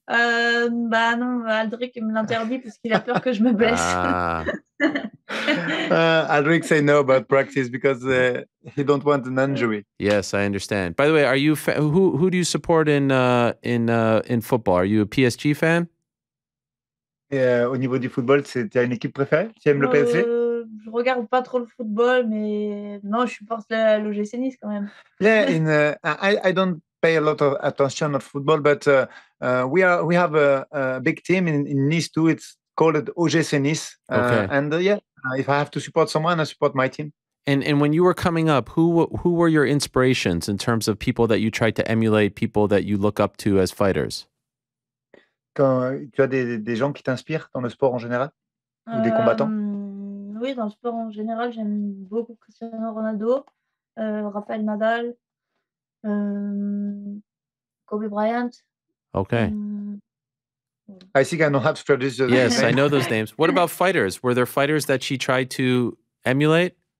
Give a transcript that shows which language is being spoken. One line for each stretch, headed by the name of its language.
French: Bah non, Aldric me l'interdit parce qu'il a peur que je me blesse.
English: Aldric say no about practice because he don't want an injury. Yes, I understand. By the way, are you who do you support in football? Are you a PSG fan?
French: Au niveau du football, c'est une équipe préférée? Tu aimes le PSG? Je regarde pas trop le football, mais non, je supporte l'OGC Nice quand même.
English: Yeah, I don't pay a lot of attention to football, but we have a big team in Nice too. It's called OGC Nice. Okay. If I have to support someone, I support my team. And when you were coming up, who were your inspirations in terms of people that you tried to emulate, people that you look up to as fighters?
French: Quand tu as des gens qui t'inspirent dans le sport en général, ou des combattants? Oui, dans le sport en général, j'aime beaucoup Cristiano Ronaldo, Rafael Nadal, Kobe Bryant.
English: Okay. I think I don't have to produce those. Yes, I know those names. What about fighters? Were there fighters that she tried to emulate?